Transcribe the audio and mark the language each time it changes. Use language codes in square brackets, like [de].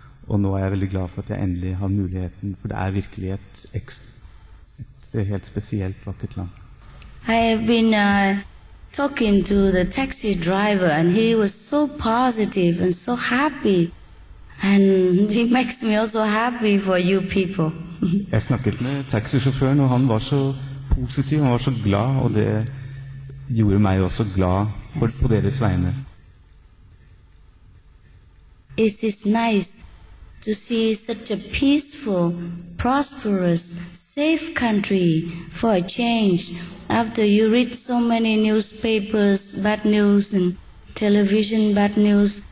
[no] Og nå er jeg veldig glad for at jeg endelig har muligheten, for det er virkelig et helt spesielt vakkert land. [en] I have been talking to the taxi driver, and he was so positive and so happy. And he makes me also happy for you people. [no] Jeg snakket med taxisjåføren, og han var så positiv, han var så glad, og det gjorde meg også glad for, yes, på deres vegne. [en] It is nice to see such a peaceful, prosperous, safe country for a change after you read so many newspapers, bad news, and television bad news.